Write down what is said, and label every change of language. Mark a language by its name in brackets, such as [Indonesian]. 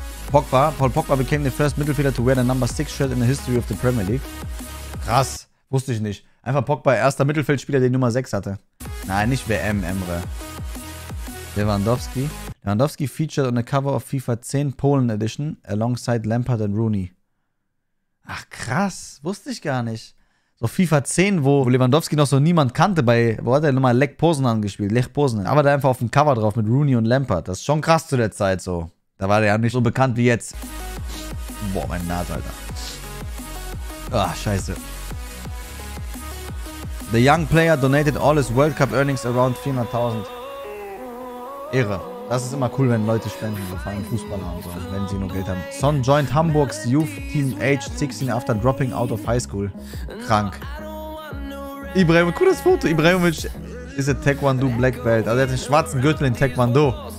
[English] Paul Pogba became the first midfielder to wear the number 6 shirt in the history of the Premier League. [German] Krass, wusste ich nicht. Einfach Pogba, erster Mittelfeldspieler, der die Nummer 6 hatte. Nein, nicht WM, Emre. [English] Lewandowski featured on the cover of FIFA 10 Polen Edition alongside Lampard and Rooney. [German] Ach krass, wusste ich gar nicht. So FIFA 10, wo Lewandowski noch so niemand kannte, wo hat er nochmal Lech Poznań gespielt? Lech Poznań. Aber da einfach auf dem Cover drauf mit Rooney und Lampard. Das ist schon krass zu der Zeit so. Da war der ja nicht so bekannt wie jetzt. Boah, meine Nase, Alter. Ach, scheiße. [English] The young player donated all his World Cup earnings around 400.000. [German] Irre. Das ist immer cool, wenn Leute spenden, vor allem Fußballer und so, wenn sie nur Geld haben. [English] Son joined Hamburg's youth team age 16 after dropping out of high school. [German] Krank. Ibrahimovic, cooles Foto. Ibrahimovic ist ein Taekwondo Black Belt. Also er hat einen schwarzen Gürtel in Taekwondo.